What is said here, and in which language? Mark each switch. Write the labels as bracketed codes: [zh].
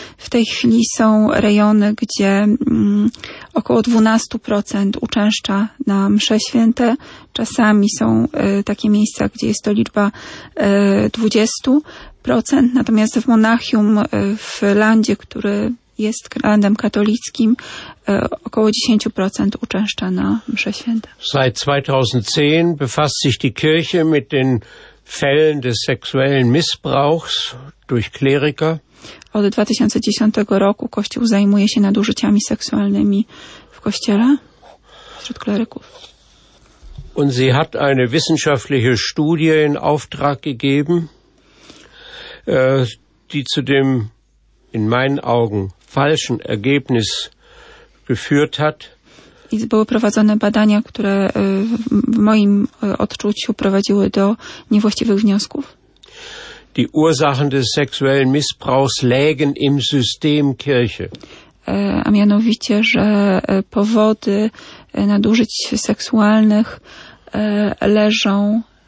[pl] W tej chwili są rejony, gdzie około 12% uczęszcza na msze święte. Czasami są takie miejsca, gdzie jest to liczba 20%. Natomiast w Monachium, w landzie, który jest landem katolickim, około 10% uczęszcza na msze święte. [de] Seit 2010 befasst sich die Kirche mit den Fällen des sexuellen Missbrauchs durch Kleriker. [pl] Od 2010 roku Kościół zajmuje się nadużyciami seksualnymi w Kościele wśród kleryków. [de] Und sie hat eine wissenschaftliche Studie in Auftrag gegeben, die zu dem in meinen Augen falschen Ergebnis geführt hat. [pl] I były prowadzone badania, które w moim odczuciu prowadziły do niewłaściwych wniosków. [de] Die Ursachen des sexuellen Missbrauchs lägen im System Kirche. [pl] A mianowicie, że powody nadużyć seksualnych leżą